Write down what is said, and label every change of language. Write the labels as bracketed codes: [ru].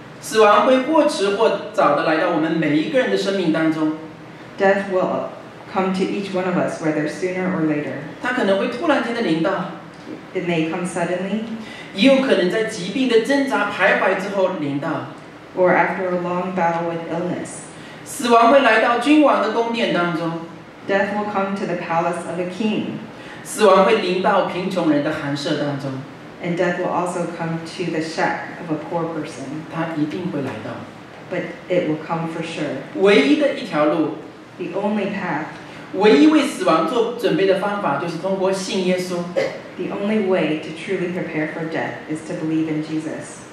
[zh] 死亡会或迟或早地来到我们每一个人的生命当中。 [en] Death will come to each one of us, whether sooner or later. [zh] 它可能会突然间地临到。 [en] It may come suddenly. [zh] 也有可能在疾病的挣扎徘徊之后临到 [en] or after a long battle with illness [zh] 死亡会来到君王的宫殿当中 [en] death will come to the palace of a king [zh] 死亡会临到贫穷人的寒舍当中 [en] and death will also come to the sheep of a poor person. [zh] 他一定会来到。 [en] But it will come for sure. [zh] 唯一的一条路。 [en] The only path. [zh] 唯一为死亡做准备的方法就是通过信耶稣。 [en] The only way to truly prepare for death is to believe in Jesus.